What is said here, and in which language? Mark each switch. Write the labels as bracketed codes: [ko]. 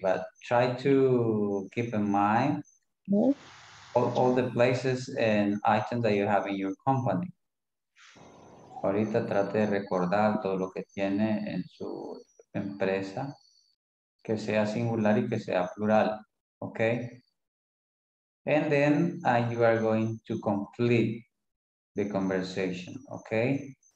[en] But try to keep in mind all the places and items that you have in your company. [es] Ahorita trate de recordar todo lo que tiene en su empresa, que sea singular y que sea plural, okay? [en] And then you are going to complete the conversation, okay?